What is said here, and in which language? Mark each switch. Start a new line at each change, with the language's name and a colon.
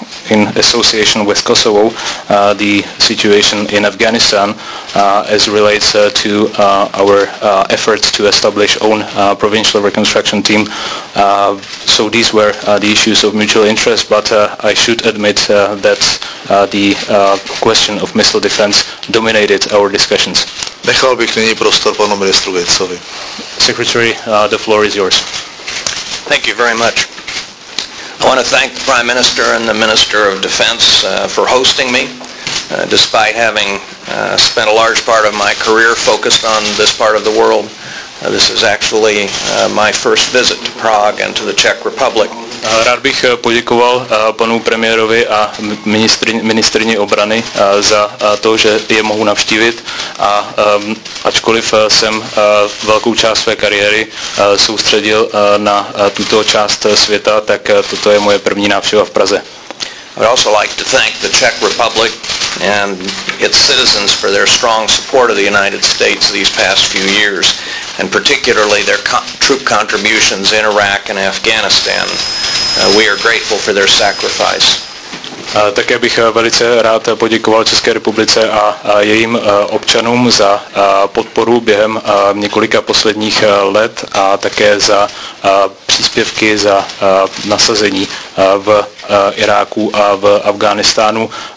English: in association with Kosovo, the situation in Afghanistan as relates to our efforts to establish own provincial reconstruction team. So these were the issues of mutual interest, but I should admit that the question of missile defense dominated our discussions.
Czech: Nechal bych nyní prostor panu ministru Gatesovi.
English: Secretary, the floor is yours. Thank you very much. I want to thank the Prime Minister and the Minister of Defense for hosting me, despite having spent a large part of my career focused on this part of the world. This is actually my first visit to Prague and to the Czech Republic.
Czech: Rád bych poděkoval panu premiérovi a ministryni obrany za to, že je mohu navštívit. A ačkoliv jsem velkou část své kariéry soustředil na tuto část světa, tak toto je moje první návštěva v Praze.
English: I would also like to thank the Czech Republic and its citizens for their strong support of the United States these past few years, and particularly their troop contributions in Iraq and Afghanistan. We are grateful for their sacrifice.
Czech: Také bych velice rád poděkoval České republice a jejím občanům za podporu během několika posledních let a také za příspěvky za nasazení v Iráku a v Afghánistánu.